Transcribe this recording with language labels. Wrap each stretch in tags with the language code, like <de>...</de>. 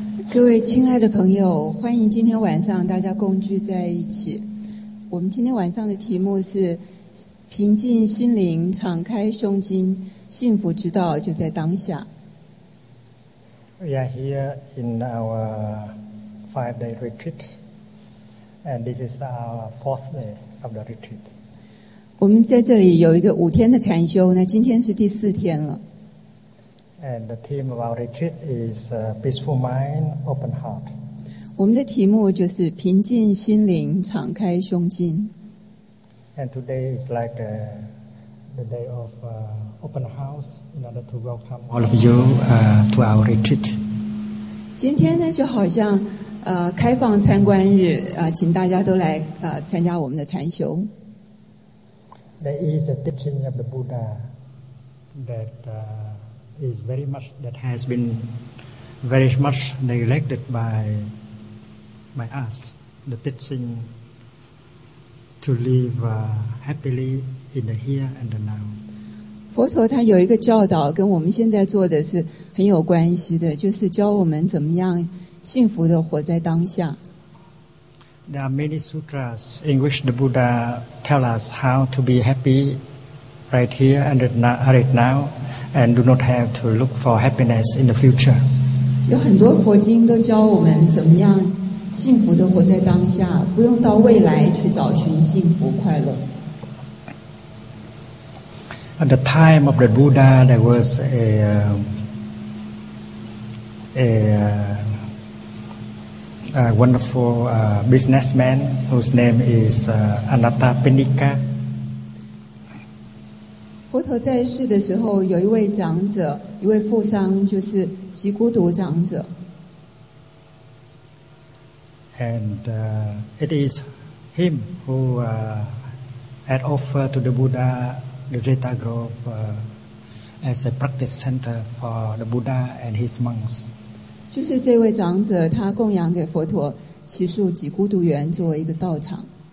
<zh>各位亲爱的朋友，欢迎今天晚上大家共聚在一起。我们今天晚上的题目是平静心灵，敞开胸襟，幸福之道就在当下。</zh> <en>We are here in our 5-day retreat, and this is our 4th day of the retreat.</en> <zh>我们在这里有一个五天的禅修，那今天是第四天了。</zh> <en>And the theme of our retreat is peaceful mind, open heart.</en> <zh>我们的题目就是平静心灵，敞开胸襟。</zh> <en>And today is like the day of open house in order to welcome all of you to our retreat.</en> <zh>今天呢就好像开放参观日请大家都来参加我们的禅修。</zh> <en>There is a teaching of the Buddha that is very much that has been very much neglected by us. The teaching to live happily in the here and the now.</en> <zh>佛陀他有一个教导跟我们现在做的是很有关系的，就是教我们怎么样幸福的活在当下。</zh> <en>There are many sutras in which the Buddha tell us how to be happy right here and right now, and do not have to look for happiness in the future.</en> <zh>有很多佛经都教我们怎么样幸福的活在当下，不用到未来去找寻幸福快乐。</zh> <en>At the time of the Buddha, there was a wonderful businessman whose name is Anattapindika.</en> <zh>佛陀在世的时候，有一位长者，一位富商，就是极孤独长者。</zh> <en>And it is him who had offered to the Buddha the Jeta Grove as a practice center for the Buddha and his monks.</en> <zh>就是这位长者，他供养给佛陀祇树及孤独园作为一个道场。</zh>